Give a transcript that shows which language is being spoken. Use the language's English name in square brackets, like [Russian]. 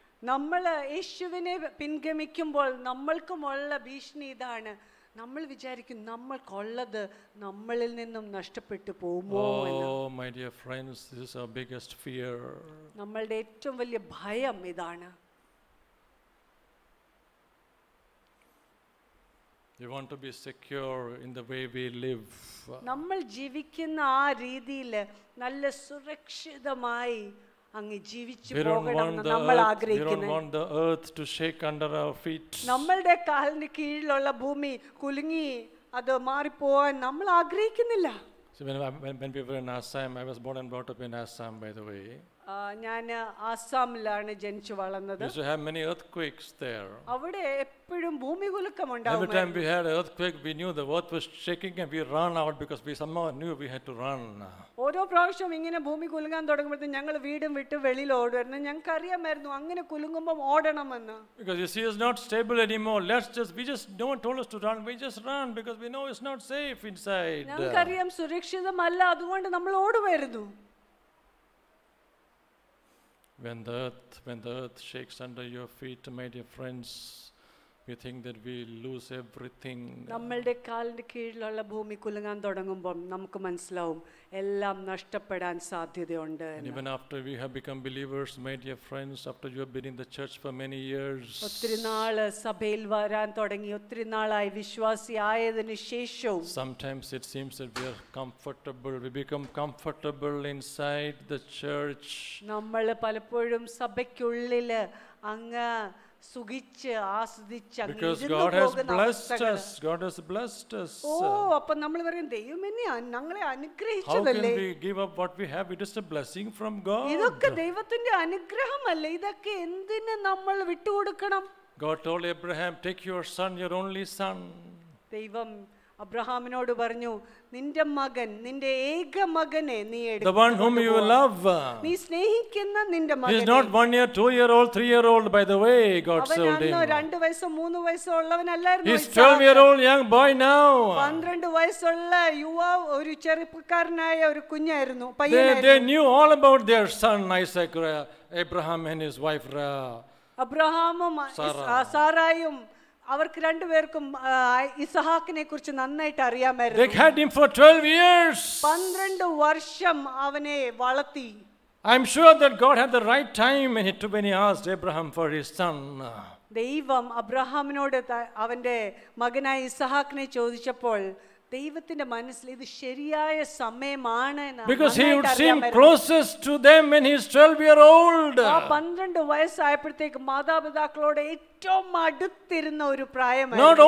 [Malayalam] നമ്മൾ യേശുവിനെ പിൻഗമിക്കുമ്പോൾ നമ്മൾക്കുമുള്ള ഭീഷണി ഇതാണ്. നമ്മൾ വിചാരിക്കും നമ്മൾക്കുള്ളത് നമ്മളിൽ നിന്നും നഷ്ടപ്പെട്ടു പോകുമോ എന്ന്. [English] Oh my dear friends, this is our biggest fear. [Malayalam] നമ്മളുടെ ഏറ്റവും വലിയ ഭയം ഇതാണ്. [English] We want to be secure in the way we live. [Malayalam] നമ്മൾ ജീവിക്കുന്ന ആ രീതിയിൽ നല്ല സുരക്ഷിതമായി അങ്ങ് ജീവിച്ചു പോകണമെന്ന് നമ്മൾ ആഗ്രഹിക്കുന്നു. [English] We don't want the earth to shake under our feet. [Malayalam] നമ്മളുടെ കാലിന് കീഴിലുള്ള ഭൂമി കുലുങ്ങി അത് മാറിപ്പോവാൻ നമ്മൾ ആഗ്രഹിക്കുന്നില്ല. [English] When we were in Assam, I was born and brought up in Assam, by the way. [Malayalam] ഞാൻ ആസാമിലാണ് ജനിച്ചു വളർന്നത്. [English] We used to have many earthquakes there. [Malayalam] അവിടെ എപ്പോഴും ഭൂമികുലുക്കം ഉണ്ടാവുമായിരുന്നു. [English] Every time we had an earthquake, we knew the earth was shaking and we ran out because we somehow knew we had to run. [Malayalam] ഓരോ പ്രാവശ്യം ഇങ്ങനെ ഭൂമി കുലുങ്ങാൻ തുടങ്ങുമ്പോഴും ഞങ്ങൾ വീടും വിട്ട് വെളിയിൽ ഓടുമായിരുന്നു. ഞങ്ങൾക്ക് അറിയാമായിരുന്നു അങ്ങനെ കുലുങ്ങുമ്പോൾ ഓടണമെന്ന്. [English] Because you see, it's not stable anymore. No one told us to run. We just run because we know it's not safe inside. [Malayalam] ഞങ്ങൾക്ക് അറിയാം സുരക്ഷിതമല്ല, അതുകൊണ്ട് നമ്മൾ ഓടുമായിരുന്നു. [English] When the earth shakes under your feet, my dear friends, we think that we lose everything. [Malayalam] നമ്മളുടെ കാലിന്റെ കീഴിലുള്ള ഭൂമി കുലുങ്ങാൻ തുടങ്ങുമ്പോൾ നമുക്ക് മനസ്സിലാവും എല്ലാം നഷ്ടപ്പെടാൻ സാധ്യതയുണ്ട്. [English] Even after we have become believers, my dear friends, after you have been in the church for many years, [Malayalam] ഒത്തിരി നാൾ സഭയിൽ വരാൻ തുടങ്ങി ഒത്തിരി നാളായി വിശ്വാസി ആയതിനു ശേഷവും, [English] sometimes it seems that we become comfortable inside the church. [Malayalam] നമ്മൾ പലപ്പോഴും സഭയ്ക്കുള്ളിൽ അങ്ങ് സുഖിച്ച് ആസ്വദിച്ച് [English] God has blessed us. [Malayalam] ഓ, അപ്പൊ നമ്മൾ പറയും ദൈവമെന്നെ ഞങ്ങളെ അനുഗ്രഹിച്ചതല്ലേ. [English] How can we give up what we have? It is a blessing from God. [Malayalam] ഇതൊക്കെ ദൈവത്തിന്റെ അനുഗ്രഹമല്ലേ? ഇതൊക്കെ എന്തിനു നമ്മൾ വിട്ടുകൊടുക്കണം? [English] God told Abraham, take your son, your only son. [Malayalam] ദൈവം അബ്രഹാമിനോട് പറഞ്ഞു, നിന്റെ മകൻ, നിന്റെ ഏക മകനെ നീ എടുക്കുക. [English] The one whom you love. [Malayalam] നീ സ്നേഹിക്കുന്ന നിന്റെ മകൻ. [English] He is not 1 year, 2 year old, 3 year old, by the way. God told him. [Malayalam] അവൻ 2 വയസ്സോ 3 വയസ്സോ ഉള്ളവനല്ലായിരുന്നു. [English] He is 12-year-old young boy now. [Malayalam] 12 വയസ്സുള്ള യുവാവ്, ഒരു ചെറുപ്പക്കാരനായ ഒരു കുഞ്ഞായിരുന്നു. [English] They knew all about their son Isaac, Abraham and his wife Sarah. [Malayalam] അബ്രഹാമും സാറായും അവർക്ക് രണ്ടുപേർക്കും ഇസഹാക്കിനെ കുറിച്ച് നന്നായിട്ട് അറിയാമായിരുന്നു. [English] They had him for 12 years. [Malayalam] 12 വർഷം അവനെ വളർത്തി. [English] I'm sure that God had the right time when he asked Abraham for his son. [Malayalam] ദൈവം അബ്രഹാമിനോട് അവന്റെ മകനായ ഇസഹാക്കിനെ ചോദിച്ചപ്പോൾ ദൈവത്തിന്റെ മനസ്സിൽ ഇത് ശരിയായ സമയമാണ്. [English] Because he would seem closest to them when he is 12 year old. [Malayalam] ആ 12 വയസ്സായപ്പോഴത്തേക്ക് മാതാപിതാക്കളോട് ഏറ്റവും അടുത്തിരുന്ന ഒരു പ്രായമാണ്.